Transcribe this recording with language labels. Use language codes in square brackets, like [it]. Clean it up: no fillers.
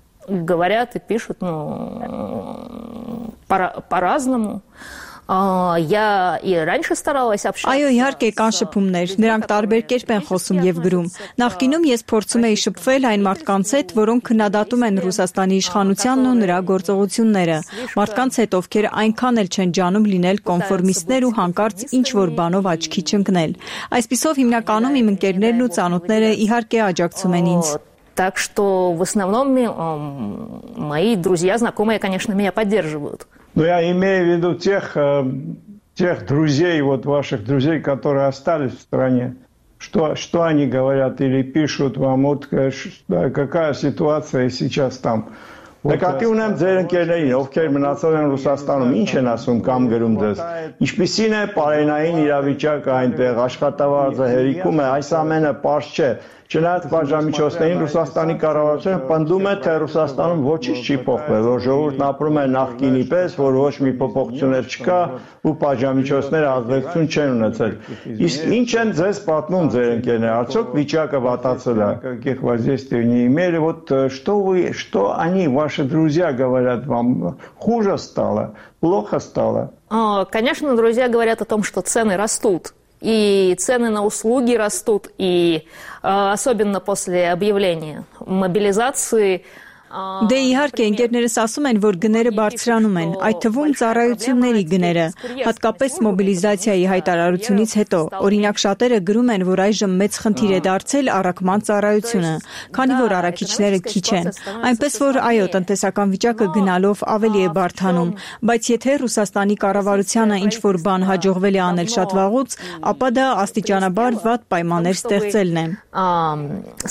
[ru] Говорят и пишут, ну, по-разному. [hy] Այո, իհարկե կան շփումներ, նրանք տարբեր կերպ են խոսում եւ գրում։ Նախկինում ես փորձում էի շփվել այն մարդկանց հետ, որոնք քննադատում են Ռուսաստանի իշխանությանն ու նրա գործողությունները, մարդկանց հետ, ովքեր այնքան էլ չեն ջանում լինել կոնֆորմիստներ ու հանկարծ ինչ-որ բանով աչքի չընկնել։ Այսպիսով հիմնականում իմ ընկերներն ու ծանոթները իհարկե աջակցում են ինձ։ [ru] Так что в основном мои друзья, знакомые, конечно, меня поддерживают. Но я имею в виду тех друзей, вот ваших друзей, которые остались в стране. Что они говорят или пишут вам? Вот какая ситуация сейчас там? [hy] Նկատի ունեմ ձեր ընկերներին, ովքեր մնացել են Ռուսաստանում, ինչ են ասում կամ գրում ձեզ։ Ինչպիսին է պարենային իրավիճակը այնտեղ, աշխատավարձը հերիքում է, այս ամենը պարզ չէ։ Չնայած պաշտամիջոցներին Ռուսաստանի կառավարությունը պնդում է, թե Ռուսաստանում ոչինչ չի փոխվել, որ ժողովուրդն ապրում է նախկինի պես, որ ոչ մի փոփոխություն չկա ու պաշտամիջոցները ազդեցություն չեն ունեցել։ Իսկ ինչ են ձեզ պատմում ձեր ընկերները, արդյոք վիճակը վատացել է։ [ru] Каких воздействий не имели, вот что вы, что они, ваши друзья говорят вам, хуже стало, плохо стало? Конечно, друзья говорят о том, что цены растут. И цены на услуги растут, и особенно после объявления мобилизации. [hy] Դե իհարկե ընկերներս ասում են, որ գները բարձրանում են, այդ թվում ծառայությունների գները, հատկապես մոբիլիզացիայի հայտարարությունից հետո։ Օրինակ շատերը գրում են, որ այժմ մեծ խնդիր է դարձել առաքման ծառայությունը, քանի որ առաքիչները քիչ են։ Այնպես որ այո, տնտեսական վիճակը գնալով ավելի է բարդանում, բայց եթե Ռուսաստանի կառավարությունը ինչ-որ բան հաջողվել է անել շատ վաղուց, ապա դա աստիճանաբար վատ պայմաններ ստեղծելն է։